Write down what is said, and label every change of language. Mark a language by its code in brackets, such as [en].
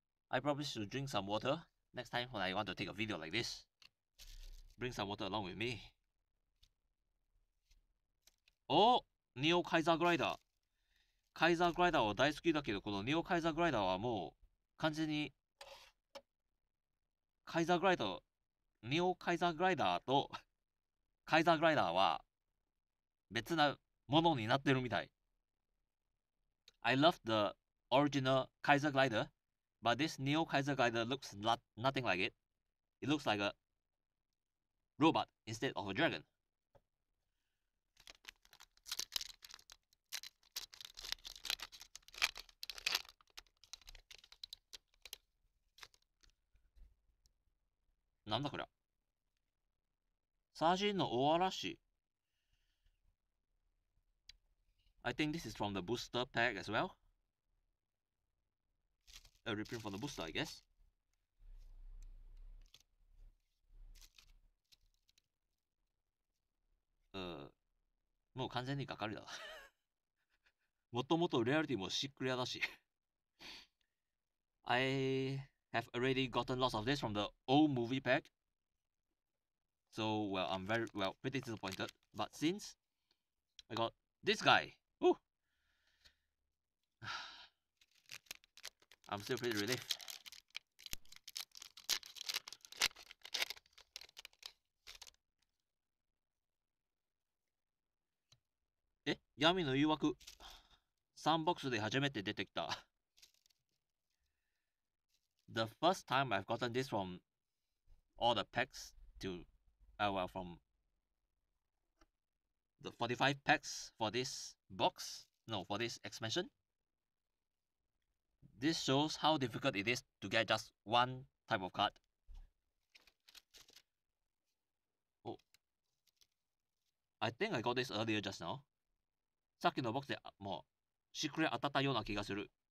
[en] I probably should drink some water next time when I want to take a video like this. Bring some water along with me. [ja] お、ネオカイザーグライダー。カイザーグライダーは大好きだけど、このネオカイザーグライダーはもう完全にカイザーグライダー、ネオカイザーグライダーとカイザーグライダーは別なものになってるみたい。 [en] I love the original Kaiser Glider, but this Neo Kaiser Glider looks nothing like it. It looks like a robot instead of a dragon. [ja] なんだこりゃ。サージンの大嵐。 [en] I think this is from the booster pack as well. A reprint from the booster, I guess. [ja] もう完全にがかりだ。もともとレアリティもシックレアだし。 [en] I have already gotten lots of this from the old movie pack. So, well, I'm very, well, pretty disappointed. But since I got this guy, I'm still pretty relieved. [ja] え、闇の誘惑。サンボックスで初めて出てきた。 [en] The first time I've gotten this from all the packs to our from the 45 packs for this box, no, for this expansion. This shows how difficult it is to get just one type of card. I think I got this earlier just now. [ja] さっきのボックスでもうシークレ当たったような気がする。